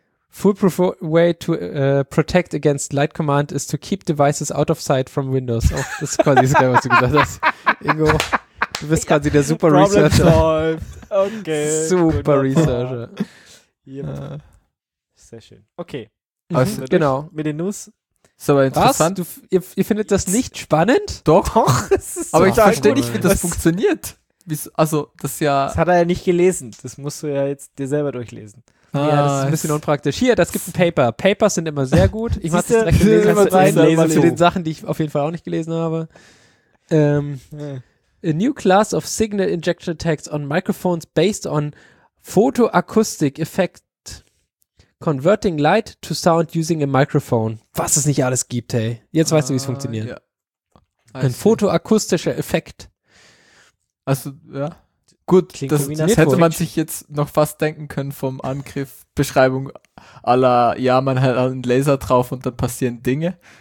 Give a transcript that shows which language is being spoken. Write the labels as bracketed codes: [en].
[en] Foolproof way to protect against light command is to keep devices out of sight from Windows. [de] Oh, das ist quasi das, was du gesagt hast. Ingo. Du bist quasi der super [en] Problem Researcher. Solved. Okay. Super Researcher. [de] Yep. Sehr schön. Okay. Also, genau. Mit den News. Ist aber interessant. Was? Ihr findet das nicht spannend? Doch. Aber ich verstehe nicht, wie das funktioniert. Das hat er ja nicht gelesen. Das musst du ja jetzt dir selber durchlesen. Ah, ja, das ist ein bisschen unpraktisch. Hier, das gibt ein Paper. Papers sind immer sehr gut. Ich mach das direkt immer rein zu den Sachen, die ich auf jeden Fall auch nicht gelesen habe. [en] A new class of signal injection attacks on microphones based on photoacoustic effect converting light to sound using a microphone. [de] Was es nicht alles gibt, hey. Jetzt weißt du, wie es funktioniert. [en] Yeah. [de] Ein photoakustischer Effekt. Also, ja. Gut, das hätte man sich jetzt noch fast denken können vom Angriff, Beschreibung aller, ja, man hat einen Laser drauf und dann passieren Dinge.